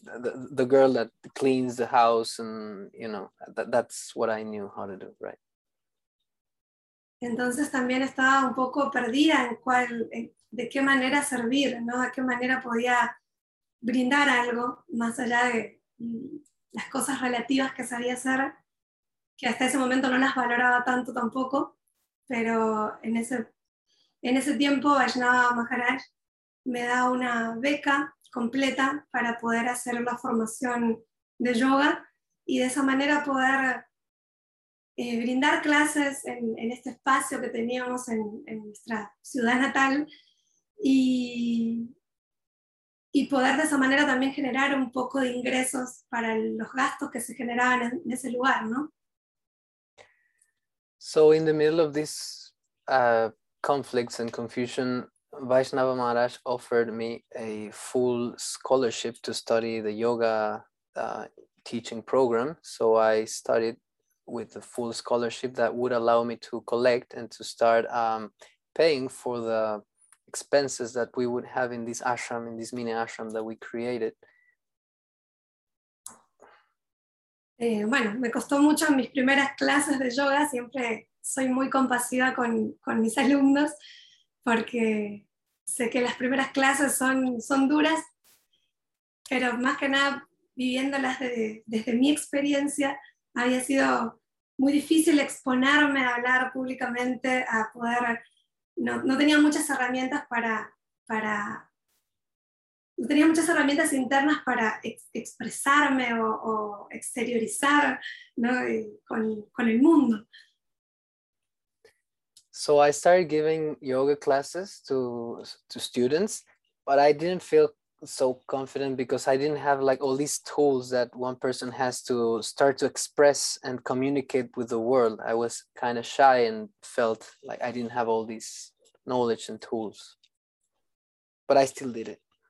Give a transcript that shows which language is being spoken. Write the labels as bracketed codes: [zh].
[en] The girl that cleans the house and, you know, that's what I knew how to do, right? [es] Entonces también estaba un poco perdida de qué manera servir, ¿no? De qué manera podía brindar algo más allá de las cosas relativas que sabía hacer, que hasta ese momento no las valoraba tanto tampoco, pero en ese tiempo Vaishnava Maharaj me da una beca completa para poder hacer la formación de yoga y de esa manera poder brindar clases en este espacio que teníamos en nuestra ciudad natal y poder de esa manera también generar un poco de ingresos para los gastos que se generaban en ese lugar, ¿no? [en] So in the middle of these conflicts and confusion, Vaishnava Maharaj offered me a full scholarship to study the yoga teaching program. So I studied with the full scholarship that would allow me to collect and to start paying for the expenses that we would have in this ashram, in this mini ashram that we created. [es] Bueno, me costó mucho mis primeras clases de yoga. Siempre soy muy compasiva con mis alumnos porque sé que las primeras clases son duras, pero más que nada viviéndolas desde mi experiencia, había sido muy difícil exponerme a hablar públicamente, a poder, no tenía muchas herramientas para no tenía muchas herramientas internas para expresarme o exteriorizar, ¿no? con el mundo. [en] So I started giving yoga classes to students, but I didn't feel so confident because I didn't have like all these tools that one person has to start to express and communicate with the world. I was kind of shy and felt like I didn't have all these knowledge and tools, but I still did it.